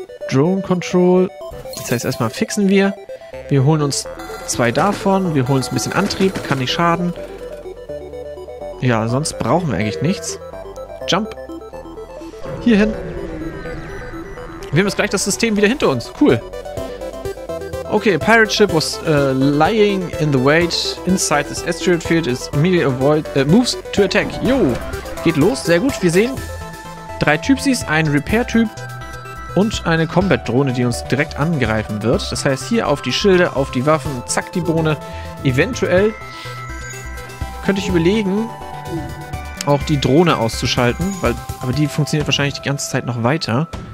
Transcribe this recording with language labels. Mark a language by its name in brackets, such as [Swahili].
[German] Drone Control. Das heißt, erstmal fixen wir. Wir holen uns zwei davon. Wir holen uns ein bisschen Antrieb. Kann nicht schaden. Ja, sonst brauchen wir eigentlich nichts. Jump. Hier hin. Wir haben jetzt gleich das System wieder hinter uns. Cool. [English] Okay, a pirate ship was lying in the wait inside this asteroid field. It immediately moves to attack. [German] Jo, geht los. Sehr gut. Wir sehen drei Typsies, einen Repair-Typ und eine Combat-Drohne, die uns direkt angreifen wird. Das heißt, hier auf die Schilde, auf die Waffen, zack, die Drohne. Eventuell könnte ich überlegen, auch die Drohne auszuschalten, weil aber die funktioniert wahrscheinlich die ganze Zeit noch weiter.